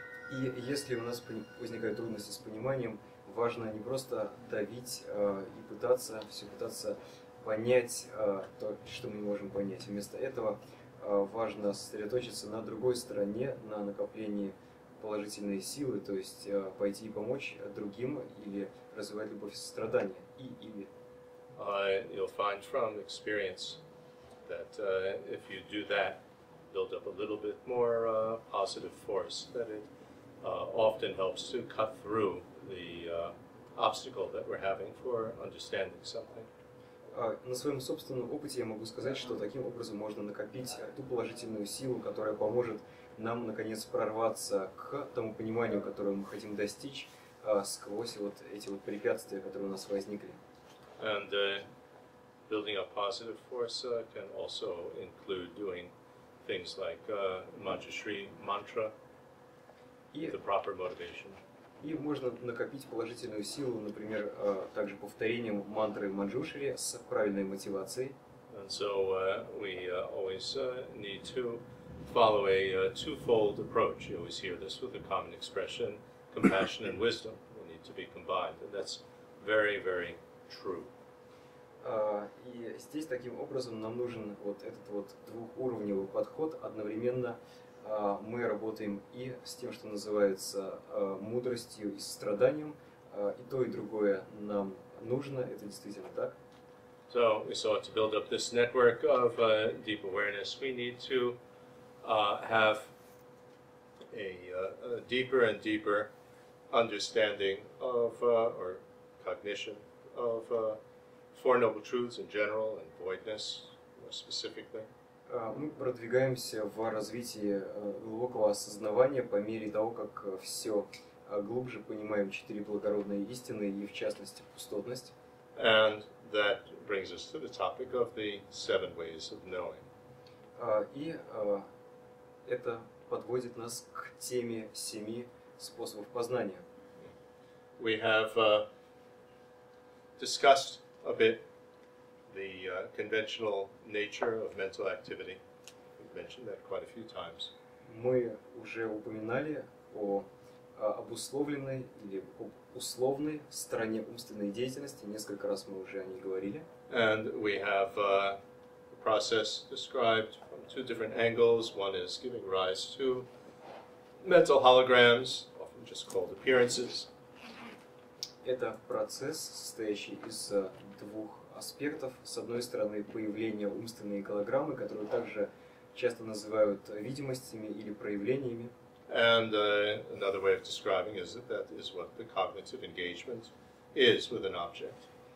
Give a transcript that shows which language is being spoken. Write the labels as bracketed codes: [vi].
[ru] И если у нас возникают трудности с пониманием, важно не просто давить и пытаться понять то, что мы не можем понять. Вместо этого важно сосредоточиться на другой стороне, на накоплении положительные силы, то есть пойти и помочь другим или развивать любовь и сострадание, или. [en] You'll find from experience that if you do that, build up a little bit more positive force, that it often helps to cut through the obstacle that we're having for understanding something. [ru] На своем собственном опыте я могу сказать, что таким образом можно накопить ту положительную силу, которая поможет нам, наконец, прорваться к тому пониманию, которое мы хотим достичь, сквозь вот эти вот препятствия, которые у нас возникли. [en] And building up positive force can also include doing things like Manjushri mantra, the proper motivation. [ru] И можно накопить положительную силу, например, также повторением мантры Манджушри с правильной мотивацией. [en] And so we always need to follow a twofold approach. You always hear this with a common expression, compassion and wisdom. They need to be combined, and that's very, very true. [ru] И здесь таким образом нам нужен вот этот вот двухуровневый подход. Одновременно мы работаем и с тем, что называется мудростью и состраданием, и то и другое нам нужно. Это действительно так. [en] So we saw to build up this network of deep awareness, we need to have a deeper and deeper understanding of, or cognition of, Four Noble Truths in general and voidness, more specifically. [ru] Мы продвигаемся в развитии глубокого осознавания по мере того, как все глубже понимаем четыре благородные истины и, в частности, пустотность. [en] And that brings us to the topic of the seven ways of knowing. [ru] Это подводит нас к теме семи способов познания. [en] We have discussed a bit the conventional nature of mental activity. mentioned that quite a few times. [ru] Мы уже упоминали о обусловленной или условной стороне умственной деятельности. Несколько раз мы уже о ней говорили. [en] And we have the process described from two different angles. One is giving rise to mental holograms, often just called appearances. [ru] Это процесс, состоящий из двух аспектов. С одной стороны, появление умственной голограммы, которую также часто называют видимостями или проявлениями. [en] And another way of describing is that is what the cognitive engagement is with an object.